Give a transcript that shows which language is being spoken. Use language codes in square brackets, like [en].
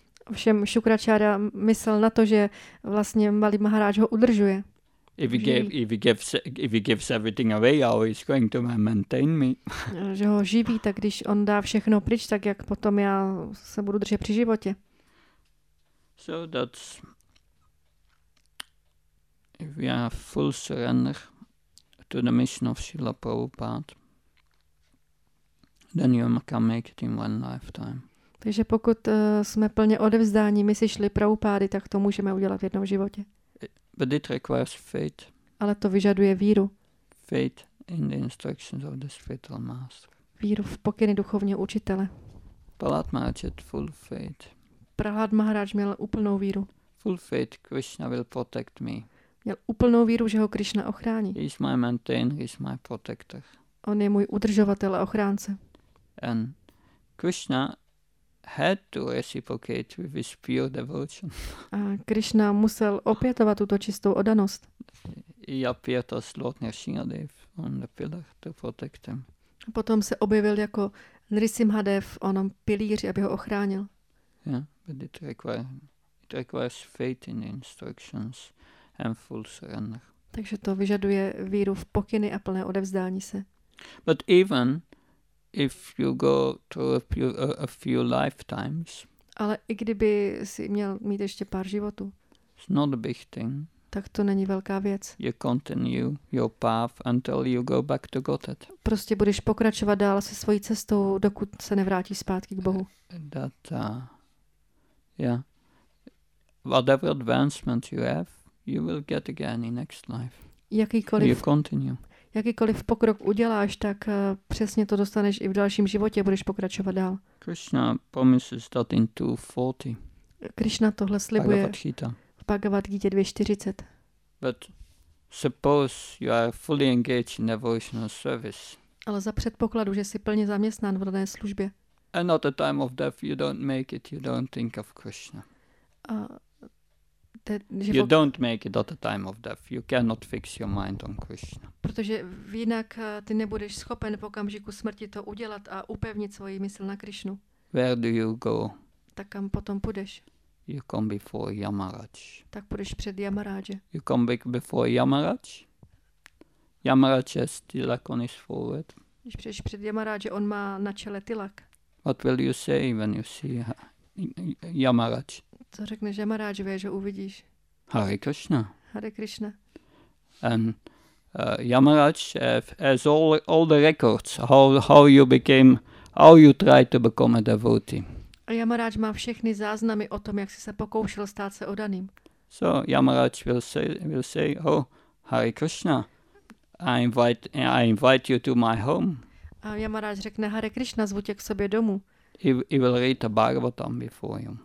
[cs] Ovšem Shukracharya myslel na to, že vlastně Bali Maharaj ho udržuje. [en] If he gives everything away, how is going to maintain me? [cs] Že ho živí, tak když on dá všechno pryč, tak jak potom já se budu držet při životě? [en] So that's if we are full surrender to the mission of Srila Prabhupada. Then you can make it in one lifetime. [cs] Takže pokud jsme plně odevzdání, my si šli Prabhupády, tak to můžeme udělat v jednom životě. [en] But it requires faith. [cs] Ale to vyžaduje víru. [en] Faith in the instructions of the spiritual master. [cs] Víru v pokyny duchovního učitele. [en] Prahlad Maharaj had full faith. [cs] Prahlad Maharaj měl úplnou víru. [en] Full faith, Krishna will protect me. [cs] Měl úplnou víru, že ho Krishna ochrání. [en] He is my maintainer, he is my protector. [cs] On je můj udržovatel a ochránce. [en] And Krishna had to reciprocate with his pure devotion. [cs] A Krishna musel opětovat tuto čistou oddanost. [en] He appeared as Lord Narsimhadev on the pillar to protect him. [cs] A potom se objevil jako Narsimhadev onom pilíři, aby ho ochránil. [en] Yeah, but it requires faith in the instructions and full surrender. [cs] Takže to vyžaduje víru v pokyny a plné odevzdání se. [en] But even if you go through a few lifetimes, [cs] ale i kdyby si měl mít ještě pár životů, [en] it's not a big thing. [cs] tak to není velká věc. [en] You continue your path until you go back to Godhead. [cs] Prostě budeš pokračovat dál se svojí cestou, dokud se nevrátíš zpátky k Bohu. [en] That, yeah. Whatever advancement you have, you will get again in next life. [cs] Jakýkoliv, [en] you continue. [cs] Jakýkoliv pokrok uděláš, tak přesně to dostaneš i v dalším životě, budeš pokračovat dál. [en] Krishna promises that in 240. [cs] Krishna tohle slibuje v Bhagavad Gita 2.40. [en] But suppose you are fully engaged in devotional service. [cs] Ale za předpokladu, že jsi plně zaměstnán v dané službě. [en] And at the time of death you don't make it, you don't think of Krishna. You don't make it at the time of death. You cannot fix your mind on Krishna. [cs] Protože jinak ty nebudeš schopen v okamžiku smrti to udělat a upevnit svoji mysl na Krishnu. [en] Where do you go? [cs] Tak kam potom půjdeš? [en] You come before Yamaraj. [cs] Tak půjdeš před Yamaráže. [en] You come before Yamaraj. Yamaraj has tilak on his forehead. [cs] Když přijdeš před Yamaráže, on má na čele tilak. [en] What will you say when you see Yamaraj? [cs] Co řekneš Yamarajovi, že uvidíš? [en] Hare Krishna. [cs] Hare Krishna. [en] And Yamaraj has all the records how you became, how you tried to become a devotee. [cs] A Yamaraj má všechny záznamy o tom, jak jsi se pokoušel stát se odaným. [en] So Yamaraj will say, oh, Hare Krishna, I invite you to my home. [cs] A Yamaraj řekne, Hare Krishna, zvu tě k sobě domů. [en] He will read a Bhagavatam before you.